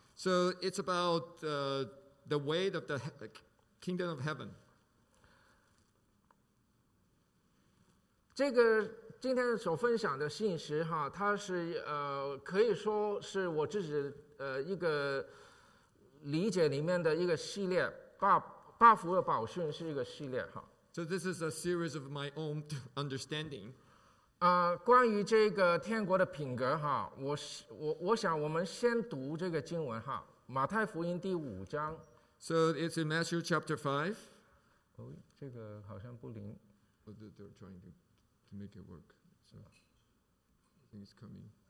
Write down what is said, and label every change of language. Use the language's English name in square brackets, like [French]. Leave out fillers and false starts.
[English] So it's about the way of the kingdom of heaven. [Chinese] 这个今天所分享的信息哈，它是可以说是我自己一个理解里面的一个系列，八福的宝训是一个系列哈。 [English] So this is a series of my own understanding. [Chinese] 关于这个天国的品格哈，我想我们先读这个经文哈，马太福音第五章。 [English] So it's in Matthew chapter 5. [Chinese] 这个好像不灵。 [English] They're trying to. Make it work. So, I think it's coming.